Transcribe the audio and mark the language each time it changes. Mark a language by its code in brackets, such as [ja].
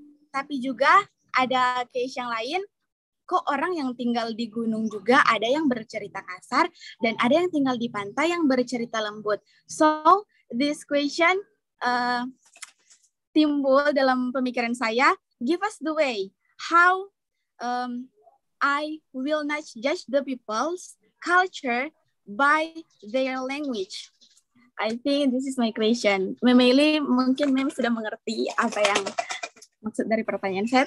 [id] Tapi juga ada case yang lain, kok orang yang tinggal di gunung juga ada yang bercerita kasar dan ada yang tinggal di pantai yang bercerita lembut. [en] So, this question [id] timbul dalam pemikiran saya, [en] give us the way how I will not judge the people's culture by their language. I think this is my question. [id] Memeli, mungkin Mem sudah mengerti apa yang maksud dari pertanyaan saya.